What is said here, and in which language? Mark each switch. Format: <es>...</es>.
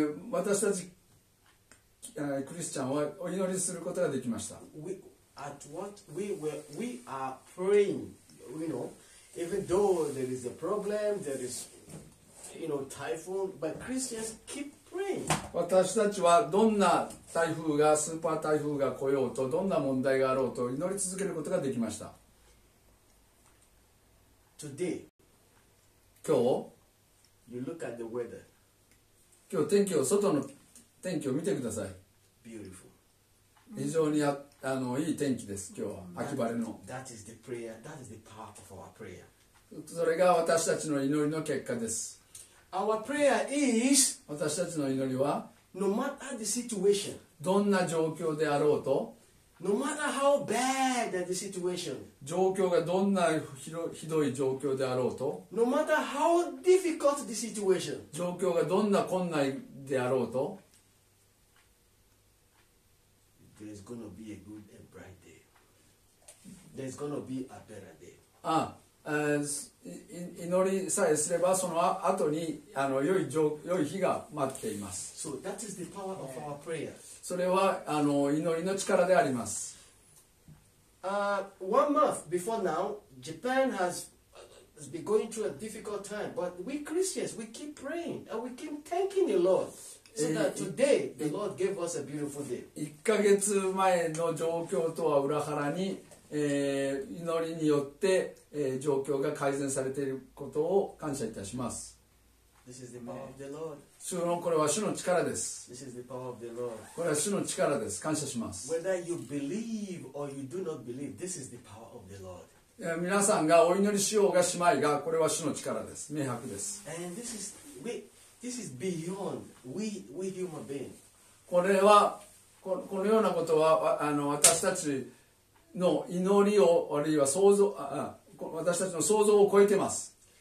<ja>私たち、クリスチャンはお祈りすることができました。</ja> <en>We are praying, you know, even though there is a problem, there is, you know, typhoon, but Christians keep praying.</en> <ja>私たちはどんな台風がスーパー台風が来ようとどんな問題があろうと祈り続けることができました。</ja> <en>Today,</en> <ja>今日</ja> <en>you look at the weather.</en> <ja>今日天気を外の天気を見てください。</ja> <en>Beautiful.</en> <ja>非常にあのいい天気です今日は、秋晴れの。</ja> <en>That is the prayer. That is the power of our prayer.</en> <ja>それが私たちの祈りの結果です。</ja> <en>Our prayer is,</en> <ja>私たちの祈りは、</ja> <en>no matter the situation,</en> <ja>どんな状況であろうと、</ja> <en>no matter how bad the situation,</en> <ja>状況がどんなひどい状況であろうと、</ja> <en>no matter how difficult the situation,</en> <ja>状況がどんな困難であろうと、</ja> <en>there's gonna be a good and bright day. There's gonna be a better day.</en> <ja>あ祈りさえすればその後にあの 良い日が待っています。</ja> <en>So that is the power of our prayer.</en> <ja>それはあの祈りの力であります。</ja> <en>One month before now, Japan has been going through a difficult time, but we Christians, we keep praying and we keep thanking the Lord.</en> <ja>1ヶ月前の状況とは裏腹に、祈りによって、状況が改善されていることを感謝いたします。</ja> <en>This is the power of the Lord.</en> <ja>主のこれは主の力です。</ja> <en>This is the power of the Lord.</en> <ja>これは主の力です。感謝します。</ja> <en>Whether you believe or you do not believe, this is the power of the Lord.</en> <ja>皆さんがお祈りしようがしまいが、これは主の力です。明白です。</ja> <en>And this is This is beyond we human being.</en> <ja>これは このようなことはあの私たちの祈りをあるいは想像あ私たちの想像を超えてます。</ja>